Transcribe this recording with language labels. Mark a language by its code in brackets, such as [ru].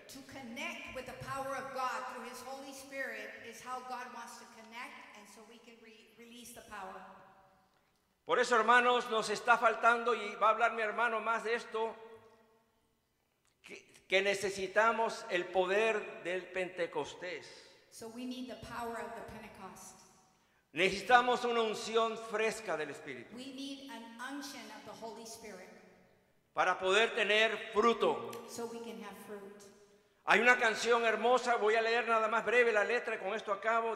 [en] To connect with the power of God through His Holy Spirit is how God wants to connect, and so we can release the power. [es] Por eso, hermanos, nos está faltando, y va a hablar mi hermano más de esto, que necesitamos el poder del Pentecostés. [en] So we need the power of the Pentecost. [es] Necesitamos una unción fresca del Espíritu. [en] We need an unction of the Holy Spirit. [es] Para poder tener fruto. [en] So we can have fruit. [es] Hay una canción hermosa, voy a leer nada más breve la letra y con esto acabo.